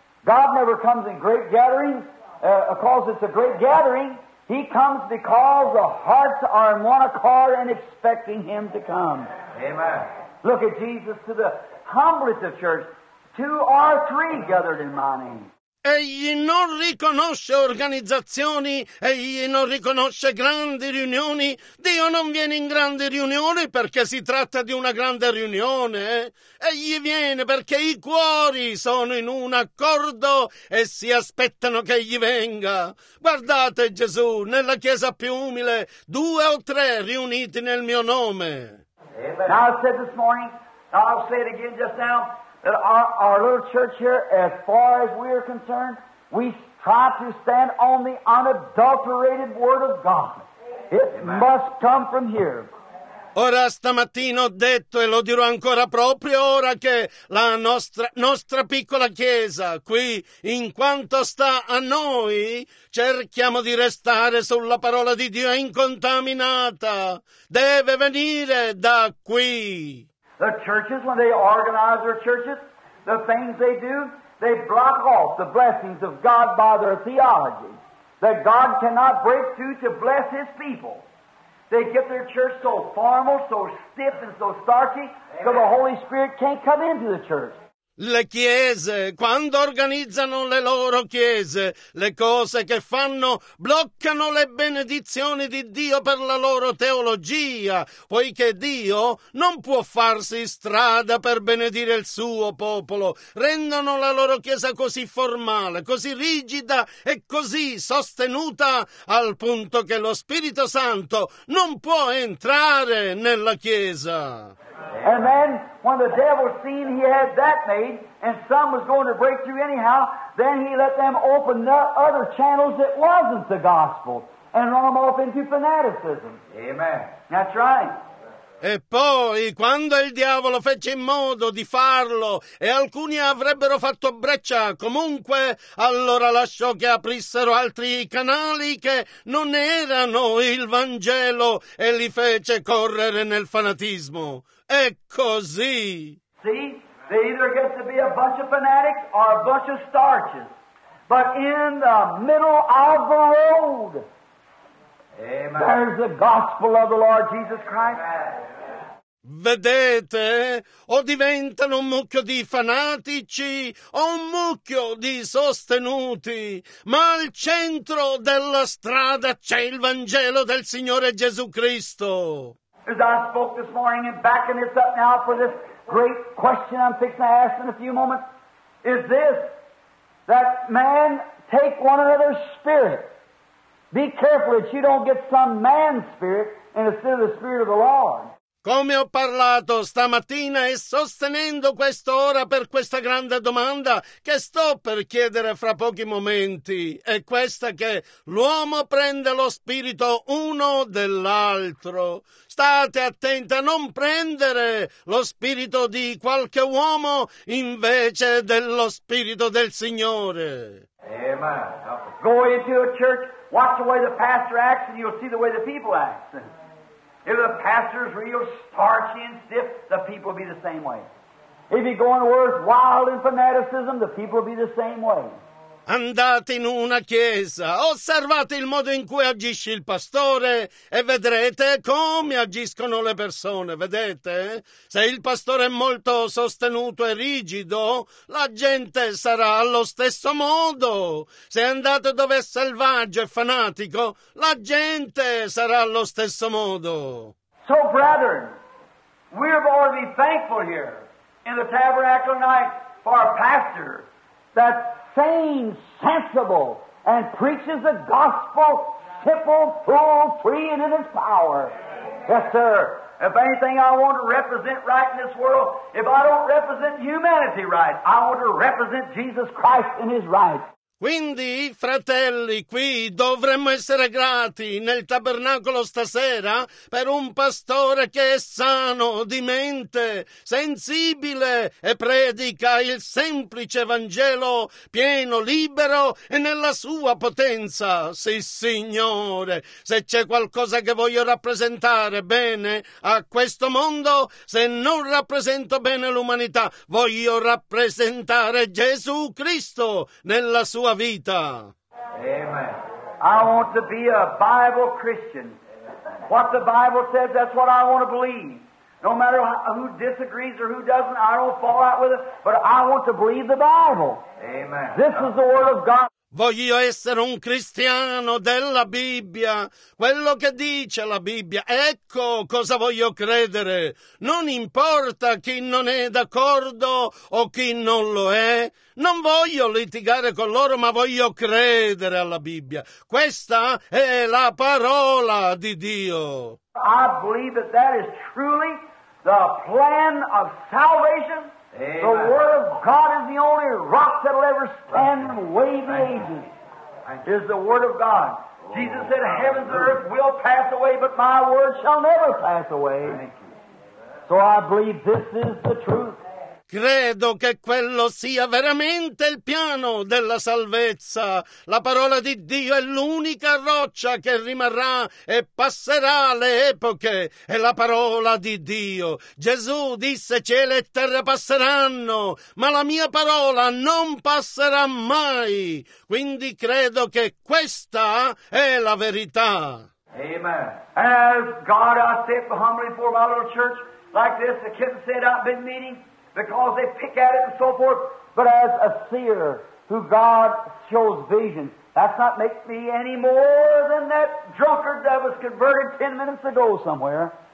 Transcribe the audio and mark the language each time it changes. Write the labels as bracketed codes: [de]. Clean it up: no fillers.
[en] God never comes in great gatherings, because it's a great gathering. He comes because the hearts are in one accord and expecting him to come. Amen. Look at Jesus to the humblest of church. Two or three gathered in my name. [it] Egli non riconosce organizzazioni, egli non riconosce grandi riunioni. Dio non viene in grandi riunioni perché si tratta di una grande riunione. Egli viene perché i cuori sono in un accordo e si aspettano che egli venga. Guardate Gesù, nella chiesa più umile, due o tre riuniti nel mio nome. [en] Now I said this morning, I'll say it again just now. That our little church here, as far as we are concerned, we try to stand on the unadulterated Word of God. It Amen. Must come from here. [it] Ora stamattina ho detto, e lo dirò ancora proprio ora, che la nostra piccola chiesa qui, in quanto sta a noi, cerchiamo di restare sulla parola di Dio incontaminata. Deve venire da qui. [en] The churches, when they organize their churches, the things they do, they block off the blessings of God by their theology. That God cannot break through to bless His people. They get their church so formal, so stiff and so starchy, so the Holy Spirit can't come into the church. [it] Le chiese, quando organizzano le loro chiese, le cose che fanno bloccano le benedizioni di Dio per la loro teologia, poiché Dio non può farsi strada per benedire il suo popolo. Rendono la loro chiesa così formale, così rigida e così sostenuta, al punto che lo Spirito Santo non può entrare nella chiesa. [en] And then, when the devil seen he had that made, and some was going to break through anyhow, then he let them open the other channels that wasn't the gospel, and run them off into fanaticism. Amen. That's right. [it] E poi, quando il diavolo fece in modo di farlo e alcuni avrebbero fatto breccia comunque, allora lasciò che aprissero altri canali che non erano il Vangelo e li fece correre nel fanatismo. È così. [en] See, they either get to be a bunch of fanatics or a bunch of starches. But in the middle of the road, Amen. There's the gospel of the Lord Jesus Christ. Amen. [it] Vedete, o diventano un mucchio di fanatici o un mucchio di sostenuti, ma al centro della strada c'è il Vangelo del Signore Gesù Cristo. [en] As I spoke this morning and backing this up now for this great question I'm fixing to ask in a few moments, is this, that man take one another's spirit. Be careful that you don't get some man's spirit instead of the Spirit of the Lord. [it] Come ho parlato stamattina e sostenendo quest'ora per questa grande domanda che sto per chiedere fra pochi momenti, è questa: che l'uomo prende lo spirito uno dell'altro. State attenti a non prendere lo spirito di qualche uomo invece dello spirito del Signore. [en] Amen. Go into a church, watch the way the pastor acts, and you'll see the way the people act. If the pastor's real starchy and stiff, the people will be the same way. If he's going to work wild in fanaticism, the people will be the same way. [it] Andate in una chiesa, osservate il modo in cui agisce il pastore e vedrete come agiscono le persone, vedete? Se il pastore è molto sostenuto e rigido, la gente sarà allo stesso modo. Se andate dove è selvaggio e fanatico, la gente sarà allo stesso modo. [en] So, brethren, we are going to be thankful here in the tabernacle night for our pastor that sane, sensible, and preaches the gospel simple, full, free, and in his power. Yes, sir. If anything I want to represent right in this world, if I don't represent humanity right, I want to represent Jesus Christ in his right. [it] Quindi, fratelli, qui dovremmo essere grati nel tabernacolo stasera per un pastore che è sano di mente, sensibile e predica il semplice Vangelo pieno, libero e nella sua potenza. Sì, Signore, se c'è qualcosa che voglio rappresentare bene a questo mondo, se non rappresento bene l'umanità, voglio rappresentare Gesù Cristo nella sua vita. [en] Amen. I want to be a Bible Christian. What the Bible says, that's what I want to believe. No matter who disagrees or who doesn't, I don't fall out with it, but I want to believe the Bible. Amen. This is the Word of God. [it] Voglio essere un cristiano della Bibbia, quello che dice la Bibbia, ecco cosa voglio credere. Non importa chi non è d'accordo o chi non lo è, non voglio litigare con loro, ma voglio credere alla Bibbia. Questa è la parola di Dio. [en] I believe that that is truly the plan of salvation. Amen. The Word of God is the only rock that will ever stand and wave in ages. Is the Word of God. Oh, Jesus said, heavens and earth will pass away, but my word shall never pass away. So I believe this is the truth. [it] Credo che quello sia veramente il piano della salvezza. La parola di Dio è l'unica roccia che rimarrà e passerà le epoche. È la parola di Dio. Gesù disse: cielo e terra passeranno, ma la mia parola non passerà mai. Quindi credo che questa è la verità. [en] Amen. As God, I sit humbly before my little church like this, the kids said I've been meeting. Because they pick at it and so forth. But as a seer who God shows vision, that's not make me any more than that drunkard that was converted 10 minutes ago somewhere.